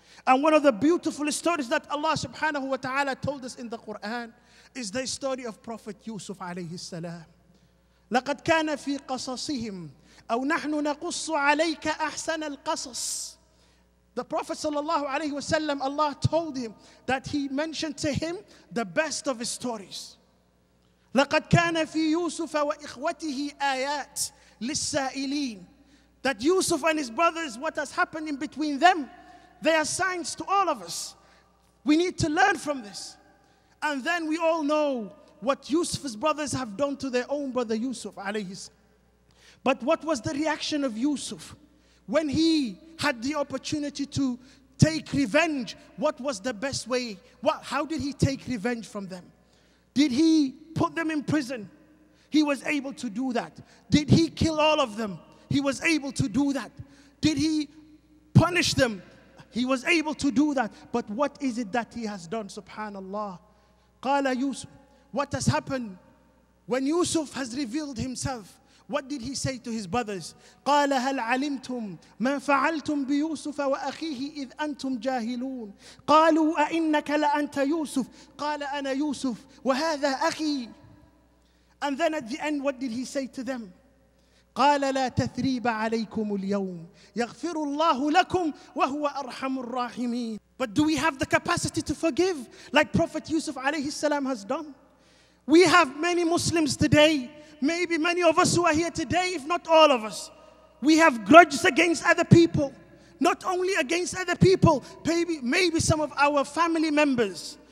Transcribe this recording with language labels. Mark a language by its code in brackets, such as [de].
[en] And one of the beautiful stories that Allah subhanahu wa ta'ala told us in the Quran is the story of Prophet Yusuf alayhi salam. [ar] لقد كان في قصصهم أو نحن نقص عليك أحسن القصص. [en] The Prophet sallallahu alayhi wa sallam, Allah told him that he mentioned to him the best of his stories. [ar] لقد كان في يوسف وإخوته آيات للسائلين. [en] That Yusuf and his brothers, what has happened in between them, they are signs to all of us. We need to learn from this. And then we all know what Yusuf's brothers have done to their own brother Yusuf alayhi salam. But what was the reaction of Yusuf when he had the opportunity to take revenge? What was the best way? How did he take revenge from them? Did he put them in prison? He was able to do that. Did he kill all of them? He was able to do that. Did he punish them? He was able to do that. But what is it that he has done? Subhanallah. [ar] Qala Yusuf. [en] What has happened when Yusuf has revealed himself? What did he say to his brothers? [ar] قال هل علمتم ما فعلتم بيوسف وأخيه إذ أنتم جاهلون قالوا أإنك لأنت يوسف قال أنا يوسف وهذا أخي. [en] And then at the end, what did he say to them? [ar] قال لا تثريب عليكم اليوم يغفر الله لكم وهو أرحم الراحمين. [en] But do we have the capacity to forgive like Prophet Yusuf alayhi salam has done? We have many Muslims today. Maybe many of us who are here today, if not all of us, we have grudges against other people. Not only against other people, maybe some of our family members.